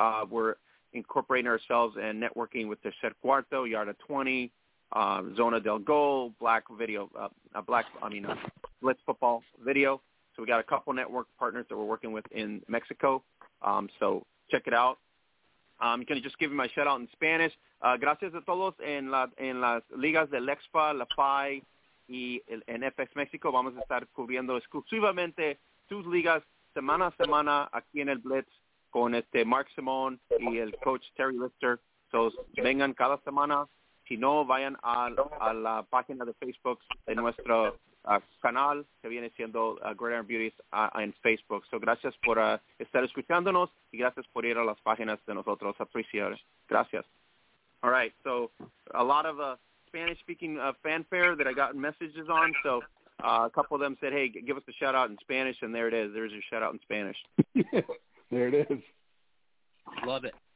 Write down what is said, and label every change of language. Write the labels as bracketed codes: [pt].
[en] We're incorporating ourselves and networking with Tercer Cuarto, Yarda 20, Zona del Gol, Black Video, Blitz Football Video. So we got a couple network partners that we're working with in Mexico. So check it out. I'm going to just give you my shout out in Spanish. [es] Gracias a todos en las ligas de Lexfa, La Fai, y en FX México vamos a estar cubriendo exclusivamente sus ligas semana a semana aquí en el Blitz con este Mark Simón y el coach Terry Lister. Entonces, vengan cada semana. Si no, vayan a la página de Facebook de nuestro canal que viene siendo Gridiron Beauties en Facebook. So, gracias por estar escuchándonos y gracias por ir a las páginas de nosotros. Apreciar. Gracias. [en] All right. So, a lot of Spanish-speaking fanfare that I got messages on, so a couple of them said, hey, give us a shout-out in Spanish, and there it is. There's your shout-out in Spanish. There it is. Love it.